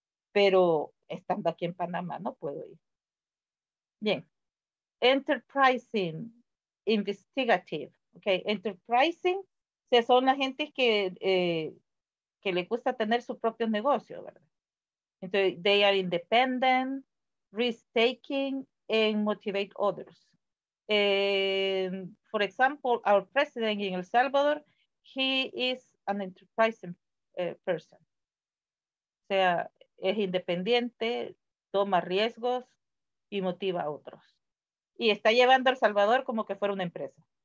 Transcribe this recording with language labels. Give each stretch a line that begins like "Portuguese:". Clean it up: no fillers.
Spanish: Pero estando aquí en Panamá, no puedo ir. Bien.
English: Enterprising, investigative, okay.
Spanish: Enterprising, o sea, son la gente que le gusta tener su propio negocio, ¿verdad?
English: Entonces, they are independent, risk-taking, and motivate others. And for example, our president in El Salvador, he is an enterprising person.
Spanish: O sea, es independiente, toma riesgos y motiva a otros. Y está llevando a El Salvador como que fuera una empresa.